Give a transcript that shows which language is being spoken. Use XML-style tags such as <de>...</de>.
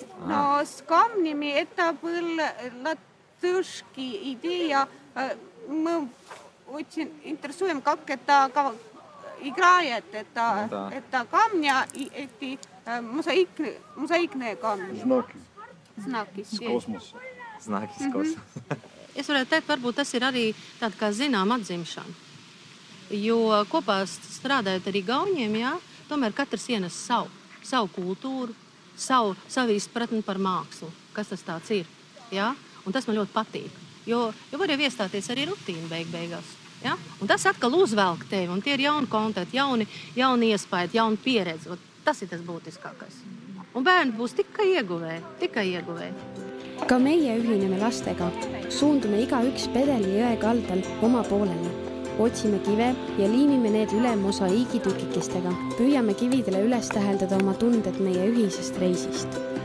<ru>Но с камнями это была латышская идея. Мы очень интересуем, как это играет. Это камни и эти мозаичные камни. Знаки. Знаки из космоса.</ru> <lv>Es varētu teikt, varbūt tas ir arī tāda kā zinām atzimšana. Jo kopā strādājot ar Igauņiem, jā, tomēr katrs ienes savu kultūru, savu izpratni par mākslu, kas tas tāds ir. Jā? Un tas man ļoti patīk. Jo var jau iestāties arī rutīna beigās. Jā? Un tas atkal uzvelk tevi, un tie ir jauni kontakti, jauni iespaidi, jauni pieredzi. Tas ir tas būtiskākais. Un bērni būs tikai ieguvē, tikai ieguvē.</lv> <et>Ka meie ühineme lastega, suundume iga üks pedeli jõe kaldal oma poolele. Otsime kive ja liimime need üle mosaiigi tükikestega. Püüame kividele üles täheldada oma tunded meie ühisest reisist.</et>